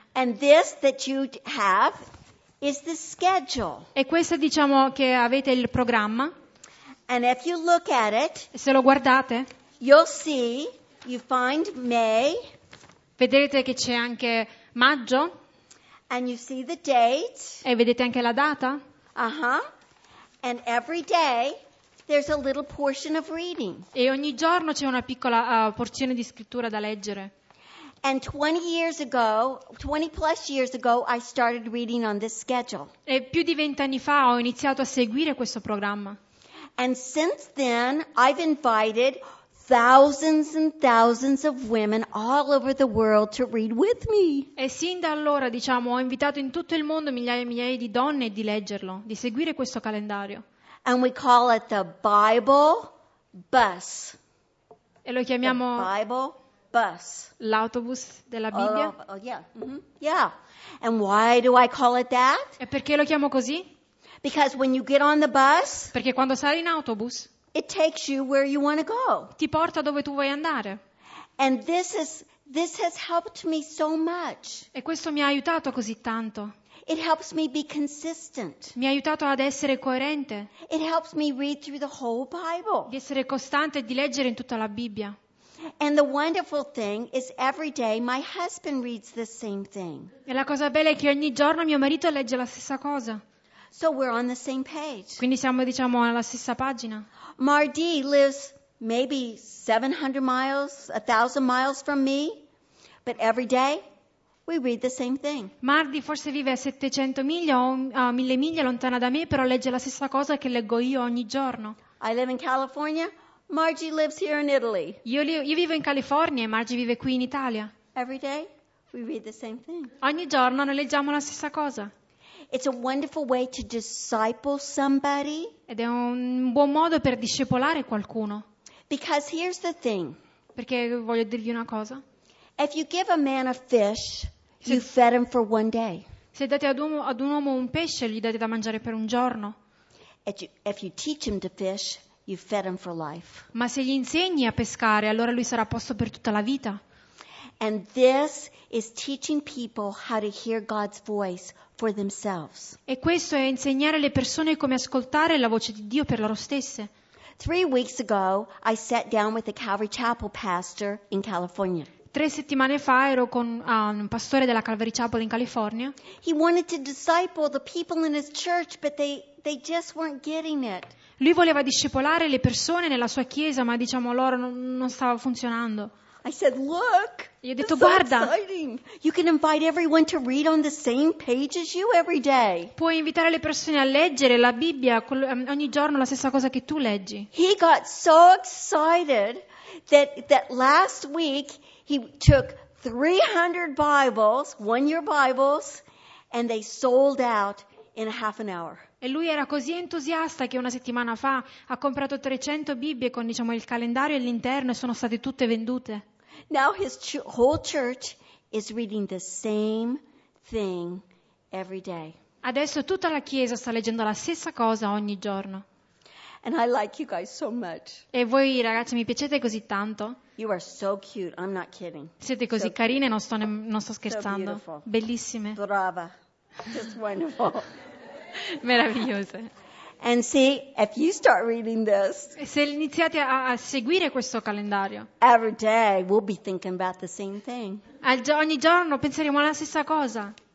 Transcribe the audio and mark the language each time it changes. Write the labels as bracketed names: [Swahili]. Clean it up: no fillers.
[English] And this that you have is the schedule. [Italian] E questo, diciamo, che avete il programma. [English] And if you look at it, [Italian] se lo guardate, [English] you'll see, you find May. [Italian] Vedete che c'è anche maggio. [English] And you see the date. [Italian] E vedete anche la data. Uh-huh. [English] And every day there's a little portion of reading. [Italian] E ogni giorno c'è una piccola porzione di scrittura da leggere. [English] And 20 years ago, 20 plus years ago, I started reading on this schedule. [Italian] E più di 20 anni fa ho iniziato a seguire questo programma. [English] And since then I've invited thousands and thousands of women all over the world to read with me. [Italian] E sin da allora, diciamo, ho invitato in tutto il mondo migliaia e migliaia di donne di leggerlo, di seguire questo calendario. [English] And we call it the Bible Bus. [Italian] E lo chiamiamo [English] the Bible Bus. [Italian] L'autobus della Bibbia. [English] Yeah. And why do I call it that? [Italian] E perché lo chiamo così? [English] Because when you get on the bus. [Italian] Perché quando sali in autobus. [English] It takes you where you want to go. [Italian] Ti porta dove tu vuoi andare. [English] And this has helped me so much. [Italian] E questo mi ha aiutato così tanto. [English] It helps me be consistent. [Italian] Mi ha aiutato ad essere coerente. [English] It helps me read through the whole Bible. [Italian] Di essere costante e di leggere in tutta la Bibbia. [English] And the wonderful thing is every day my husband reads the same thing. [Italian] E la cosa bella è che ogni giorno mio marito legge la stessa cosa. [English] So we're on the same page. [Italian] Quindi siamo diciamo alla stessa pagina. [English] Mardi lives maybe 700 miles, 1,000 miles from me, but every day we read the same thing. [Italian] Mardi forse vive a 700 miglia o 1,000 miglia lontana da me, però legge la stessa cosa che leggo io ogni giorno. [English] I live in California. Margie lives here in Italy. [Italian] Io vivo in California e Margie vive qui in Italia. [English] Every day we read the same thing. [Italian] Ogni giorno noi leggiamo la stessa cosa. [English] It's a wonderful way to disciple somebody. [Italian] Ed è un buon modo per discepolare qualcuno. [English] Because here's the thing. [Italian] Perché voglio dirvi una cosa. [English] If you give a man a fish, you fed him for one day. [Italian] Se date ad un uomo un pesce, gli date da mangiare per un giorno. [English] If you teach him to fish, you fed him for life. [Italian] Ma se gli insegni a pescare, allora lui sarà a posto per tutta la vita. [English] And this is teaching people how to hear God's voice for themselves. [Italian] E questo è insegnare alle persone come ascoltare la voce di Dio per loro stesse. [English] 3 weeks ago, I sat down with a Calvary Chapel pastor in California. [Italian] 3 settimane fa ero con un pastore della Calvary Chapel in California. [English] He wanted to disciple the people in his church, but they just weren't getting it. [Italian] Lui voleva discepolare le persone nella sua chiesa, ma diciamo loro non stava funzionando. [English] I said, look. [Italian] Io ho detto guarda. [English] You can invite everyone to read on the same page as you every day. [Italian] Puoi invitare le persone a leggere la Bibbia ogni giorno la stessa cosa che tu leggi. [English] He got so excited that last week he took 300 Bibles, 1 year Bibles, and they sold out in half an hour. [Italian] E lui era così entusiasta che una settimana fa ha comprato 300 Bibbie con diciamo il calendario all'interno e sono state tutte vendute. [English] Now his whole church is reading the same thing every day. [Italian] Adesso tutta la chiesa sta leggendo la stessa cosa ogni giorno. [English] And I like you guys so much. [Italian] E voi ragazzi mi piacete così tanto? [English] You are so cute, I'm not kidding. [Italian] Siete così so carine, non sto scherzando. [English] So beautiful. [Italian] Bellissime. Brava. [English] Just wonderful. [Italian] Meravigliose. [English] And see, if you start reading this, [Italian] se iniziate a seguire questo calendario, [English] every day we'll be thinking about the same thing. [Italian] Ogni giorno penseremo alla stessa cosa.